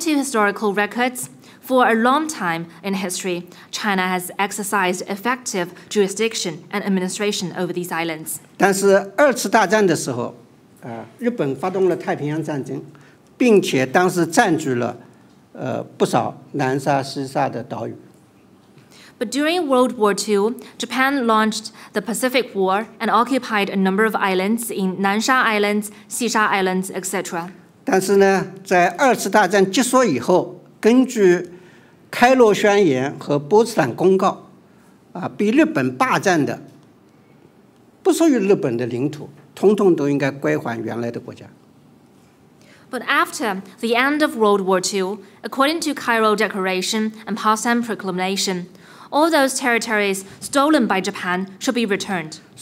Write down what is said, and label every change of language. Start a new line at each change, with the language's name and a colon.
English: to historical records, for a long time in history, China has exercised effective jurisdiction and administration over these islands.
Chinese: 但是二次大战的时候，日本发动了太平洋战争，并且当时占据了不少南沙、西沙的岛屿。
English: But during World War II, Japan launched the Pacific War and occupied a number of islands in Nansha Islands, Xisha Islands, etc.
Chinese: 但是呢，在二次大战结束以后，根据开罗宣言和波茨坦公告，被日本霸占的，不属于日本的领土，统统都应该归还原来的国家。
English: But after the end of World War II, according to Cairo Declaration and Potsdam Proclamation, all those territories stolen by Japan should be returned.